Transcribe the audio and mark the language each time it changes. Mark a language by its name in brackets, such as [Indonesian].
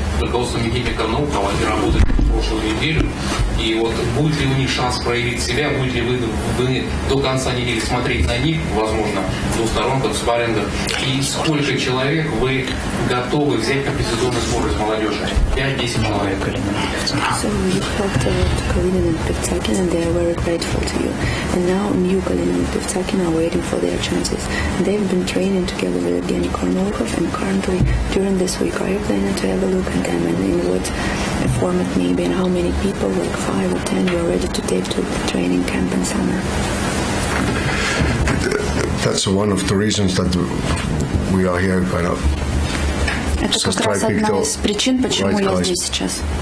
[Russian] Руководство Никиты Карнаухова не работает прошлую неделю. И вот будет ли у них шанс проявить себя, будет ли вы до конца недели смотреть на них, возможно, двусторонках, спаррингах, и сколько человек вы готовы взять на предсезонный сбор из молодежи? 5-10 человек. [English] So you talked about Kalinin and Pivtsakin, and they are very grateful to you. And now you, Kalinin and Pivtsakin, are waiting for their chances. They've been training together with Evgeny Kornolkov, and currently, during this week, are you planning to have a look at them and in what format maybe, and how many people, like 5 or 10, you are ready to take to the training camp in summer? That's one of the reasons that we are here, kind of. [Russian] Это как раз одна из причин, почему я здесь сейчас.